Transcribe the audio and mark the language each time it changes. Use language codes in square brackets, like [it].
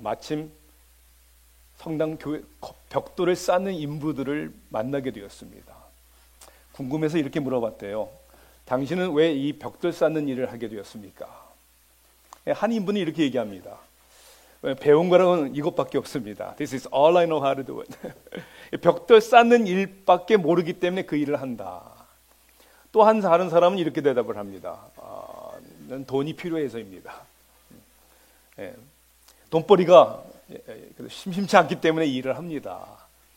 [ko] 마침 성당 교회 벽돌을 쌓는 인부들을 만나게 되었습니다. 궁금해서 이렇게 물어봤대요. 당신은 왜 이 벽돌 쌓는 일을 하게 되었습니까? 한 인부는 이렇게 얘기합니다. 배운 거는 이것밖에 없습니다. [en] This is all I know how to do it. [ko] 벽돌 쌓는 일밖에 모르기 때문에 그 일을 한다. 또 한 다른 사람은 이렇게 대답을 합니다. 돈이 필요해서입니다. 돈벌이가 심심치 않기 때문에 일을 합니다.